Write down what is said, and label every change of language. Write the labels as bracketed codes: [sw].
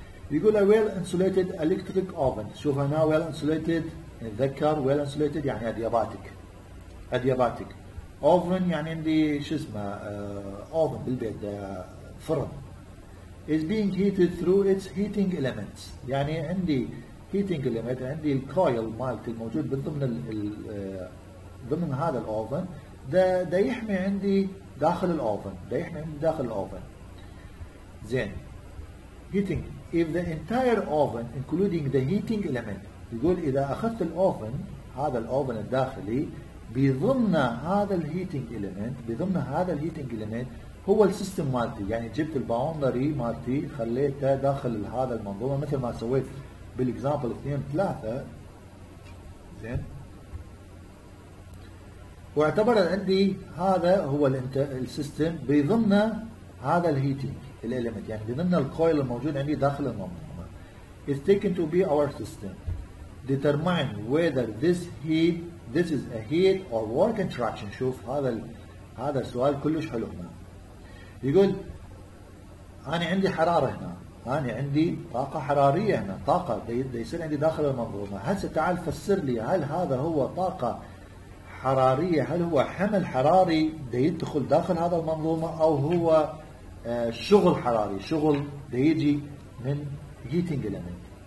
[ar] يقول [en] a well insulated electric oven. [ar] شوف هنا [en] well insulated، [ar] نذكر [en] well insulated يعني adiabatic. [ar] adiabatic oven يعني عندي شو اسمه oven بالبيت، فرن. [en] is being heated through its heating elements، [ar] يعني عندي heating element، عندي الكويل مالت الموجود بالضمن ضمن هذا الاوفن ده يحمي عندي داخل الاوفن، ده يحمي عندي داخل الاوفن. زين، [en] heating if the entire oven including the heating element، [ar] يقول اذا اخذت الاوفن، هذا الاوفن الداخلي بضمن هذا الهيتنج إليمنت، بضمن هذا الهيتنج إليمنت هو السيستم مالتي، يعني جبت الباوندري مالتي خليته داخل هذا المنظومة مثل ما سويت بالإكزامبل 2-3. زين، واعتبر عندي هذا هو السيستم بضمن هذا الهيتنج الإليمنت، يعني بضمن الكويل الموجود عندي داخل المنظومة. [en] It's taken to be our system. Determine whether this heat, this is a heat or work interaction. [ar] شوف هذا هذا السؤال كلش حلو هنا. يقول أنا عندي حرارة هنا، أنا عندي طاقة حرارية هنا، طاقة بيصير عندي داخل المنظومة. هسا تعال فسر لي، هل هذا هو طاقة حرارية، هل هو حمل حراري بيدخل داخل هذا المنظومة، أو هو شغل حراري، شغل بيجي من heating element.